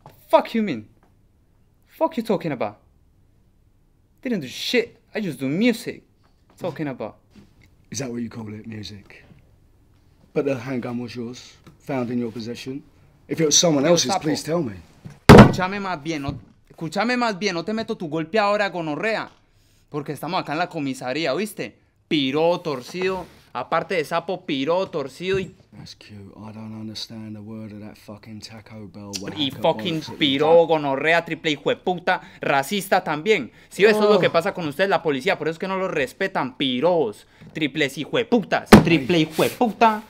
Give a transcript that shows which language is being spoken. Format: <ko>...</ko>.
<en>Fuck you mean? Fuck you talking about? Didn't do shit. I just do music. Talking about. Is that what you call it, music? But the handgun was yours, found in your possession. If it was someone else's, please tell me.</en> <es>Escúchame más bien, no te meto tu golpe ahora, gonorrea. Porque estamos acá en la comisaría, ¿viste? Piro, torcido. Aparte de sapo, piro, torcido y...</es> <en>That's cute. I don't understand a word of that fucking Taco Bell.</en> <es>Y fucking piro, gonorrea, triple hijo de puta, racista también. Si eso es lo que pasa con ustedes, la policía, por eso es que no los respetan, piros, triples hijo de putas, triple hijo de puta.</es>